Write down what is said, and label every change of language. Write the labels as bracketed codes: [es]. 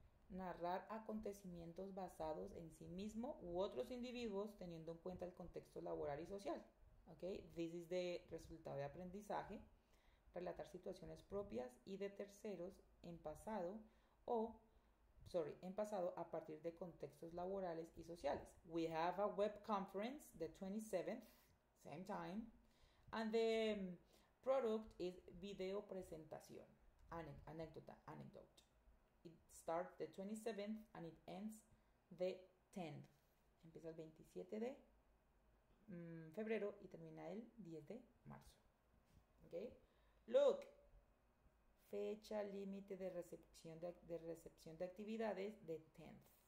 [es] Narrar acontecimientos basados en sí mismo u otros individuos teniendo en cuenta el contexto laboral y social. Okay? [en] This is the [es] resultado de aprendizaje. Relatar situaciones propias y de terceros en pasado o, sorry, en pasado a partir de contextos laborales y sociales. [en] We have a web conference the 27th, same time. And the product is video presentación, anecdote. It starts the 27th and it ends the 10th. [es] Empieza el 27 de febrero y termina el 10 de marzo. Okay? Look, fecha límite de recepción de actividades de 10th.